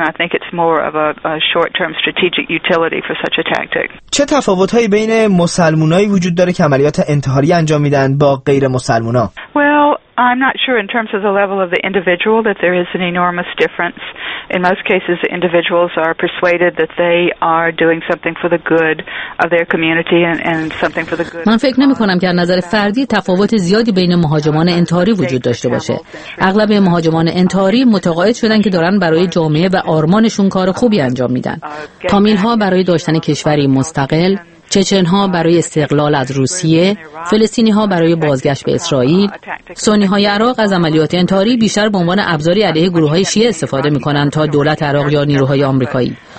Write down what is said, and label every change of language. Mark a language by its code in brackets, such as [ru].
[en] I think it's more of a short-term strategic utility for such a tactic. [fa] چه تفاوت‌هایی بین مسلمان‌هایی وجود داره که عملیات انتحاری انجام میدن با غیر مسلمان‌ها؟ [en] Well, I'm not sure in terms of the level of the individual that there is an enormous difference. In most cases, the individuals are persuaded that they are doing something for the good of their community and something for the good. [fa] من فکر نمی‌کنم که از نظر فردی تفاوت زیادی بین مهاجمان انتحاری وجود داشته باشه. اغلب مهاجمان انتحاری متقاعد شدن که دارن برای جامعه و آرمانشون کار خوبی انجام میدن. تامیل‌ها برای داشتن کشوری مستقل، چچن‌ها برای استقلال از روسیه، فلسطینی‌ها برای بازگشت به اسرائیل، سنی‌های عراق از عملیات انتحاری بیشتر به عنوان ابزاری علیه گروه‌های شیعه استفاده می‌کنند تا دولت عراق یا نیروهای آمریکایی.